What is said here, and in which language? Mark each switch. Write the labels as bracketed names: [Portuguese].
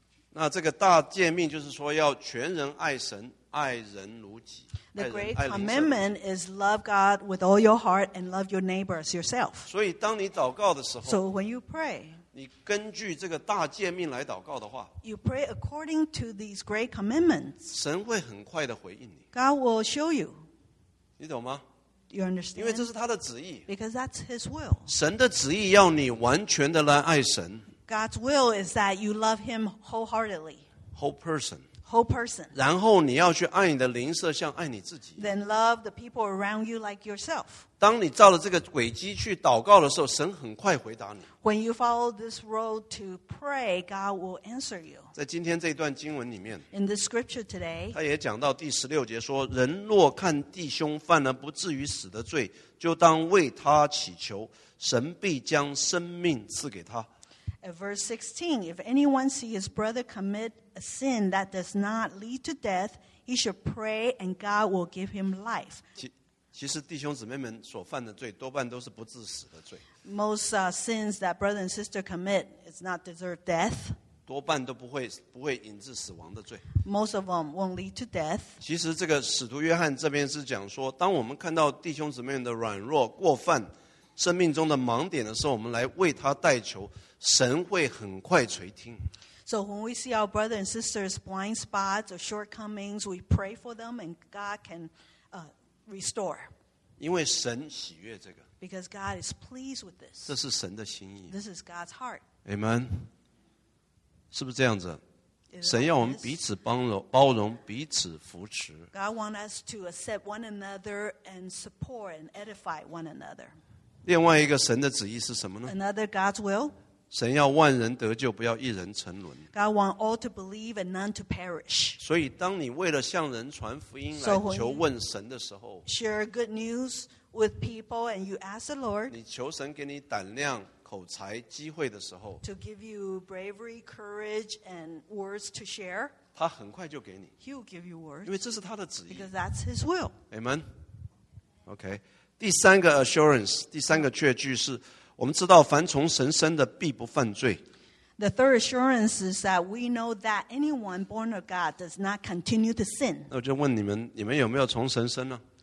[Chinese] 那这个大诫命就是说要全人爱神爱人如己。 [English] The great commandment is love God with all your heart and love your neighbor as yourself. [Chinese] 所以当你祷告的时候。 [English] So when you pray. [Chinese] 你根据这个大诫命来祷告的话。 [English] You pray according to these great commandments. [Chinese] 神会很快的回应你。 [English] God will show you. [Chinese] 你懂吗？ [English] You understand? [Chinese] 因为这是他的旨意。 [English] Because that's his will. [Chinese] 神的旨意要你完全的来爱神。 [English] God's will is that you love him wholeheartedly. Whole person. Whole person. [Chinese] 然后你要去爱你的邻舍，像爱你自己。 [English] Then love the people around you like yourself. [Chinese] 当你照着这个轨迹去祷告的时候，神很快回答你。 [English] When you follow this road to pray, God will answer you. [Chinese] 在今天这一段经文里面。 [English] In the scripture today. [Chinese] 他也讲到第十六节说，人若看弟兄犯了不至于死的罪，就当为他祈求，神必将生命赐给他。 [English] At verse 16, if anyone see his brother commit a sin that does not lead to death, he should pray and God will give him life. [Chinese] 其实弟兄姊妹们所犯的罪多半都是不致死的罪。 [English] Most sins that brother and sister commit is not deserve death. [Chinese] 多半都不会引致死亡的罪。 [English] Most of them won't lead to death. [Chinese] 其实这个使徒约翰这边是讲说，当我们看到弟兄姊妹的软弱过犯生命中的盲点的时候，我们来为他代求，神会很快垂听。 [English] So when we see our brother and sister's blind spots or shortcomings, we pray for them and God can restore. [Chinese] 因为神喜悦这个。 [English] Because God is pleased with this. [Chinese] 这是神的心意。 [English] This is God's heart. Amen. [Chinese] 是不是这样子？神要我们彼此帮容、包容、彼此扶持。 [English] God wants us to accept one another and support and edify one another. [Chinese] 另外一个神的旨意是什么呢？ [English] Another God's will. [Chinese] 神要万人得救，不要一人沉沦。 [English] God wants all to believe and none to perish. [Chinese] 所以，当你为了向人传福音来求问神的时候 [English] ，share good news with people and you ask the Lord. [Chinese] 你求神给你胆量、口才、机会的时候 [English] ，to give you bravery, courage, and words to share. [Chinese] 他很快就给你 [English] ，He will give you words. [Chinese] 因为这是他的旨意 [English] ，because that's His will. Amen. Okay. 第三个 assurance， [Chinese] 第三个确据是。我们知道凡从神生的必不犯罪。 [English] The third assurance is that we know that anyone born of God does not continue to sin. [Chinese] 那我就问你们有没有从神生呢？